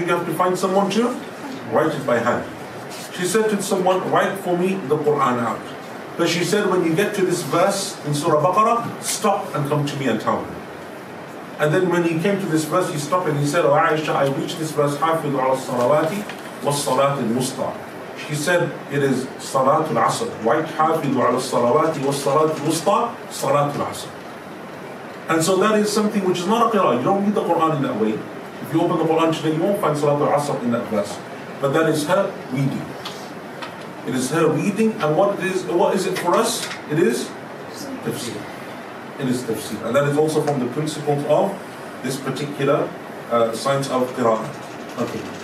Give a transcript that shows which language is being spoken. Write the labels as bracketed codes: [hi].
[en] You have to find someone to write it by hand. She said to someone, write for me the Quran out. But she said, when you get to this verse in Surah Baqarah, stop and come to me and tell me. And then when he came to this verse, he stopped and he said, O Aisha, I reached this verse, [ar] حَافِظُوا عَلَى الصَّلَوَاتِ والصلاه الوسطى. [en] She said it is [ar] صلاه العصر. [en] Why [ar] حافظوا على الصلوات والصلاه الوسطى صلاه العصر. [en] And so that is something which is not a qira'ah. You don't read the Quran in that way. If you open the Quran today, you won't find salatul asr in that verse. But that is her reading. It is her reading, and what is it for us? It is tafsir. It is tafsir, and that is also from the principles of this particular science of qira'ah. Okay.